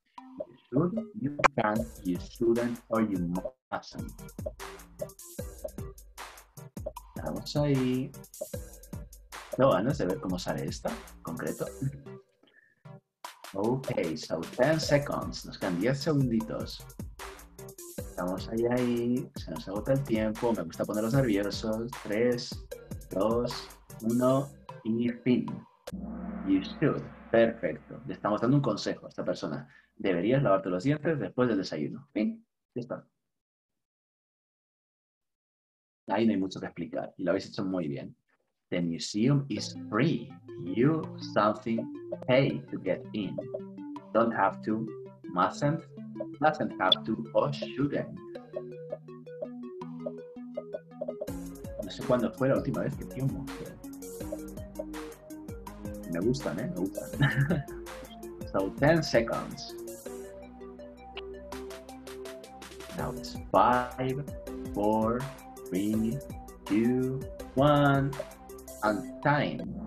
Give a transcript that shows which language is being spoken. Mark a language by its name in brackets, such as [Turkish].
[English] You should, you can't, you shouldn't, or you mustn't. [Spanish] Estamos ahí. No, antes de ver cómo sale esta en concreto. Ok, so 10 seconds. Nos quedan 10 segunditos. Estamos ahí, ahí. Se nos agota el tiempo. Me gusta ponerlos nerviosos. 3, 2, 1 y fin. You should. Perfecto. Le estamos dando un consejo a esta persona. Deberías lavarte los dientes después del desayuno. Fin. Ya está. Ahí no hay mucho que explicar. Y lo habéis hecho muy bien. The museum is free. [English] You something pay to get in. Don't have to, mustn't, doesn't have to, or shouldn't. [Spanish] No sé cuándo fue la última vez que fui a un museo. Me gustan, ¿eh? Me gustan. So, 10 seconds. [English] Now it's 5, 4, 3, 2, 1. And time.